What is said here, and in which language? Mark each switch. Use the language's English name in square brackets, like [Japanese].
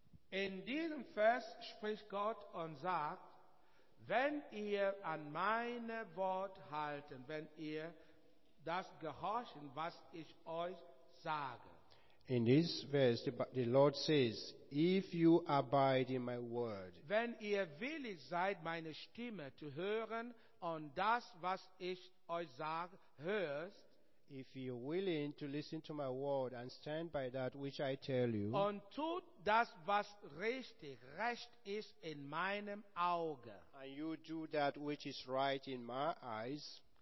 [German] In diesem Vers spricht Gott und sagt, wenn ihr an meine Wort halten, wenn ihr das gehorchen, was ich euch sage. [English] In this verse, the Lord says, if you abide in my word, [German] wenn ihr willig seid, meine Stimme zu hören und das, was ich euch sage, hörst, [English] if you're willing to listen to my word and stand by that which I tell you, [German] und tut das, was richtig, recht ist in meinem Auge, [English] and you do that which is right in my eyes,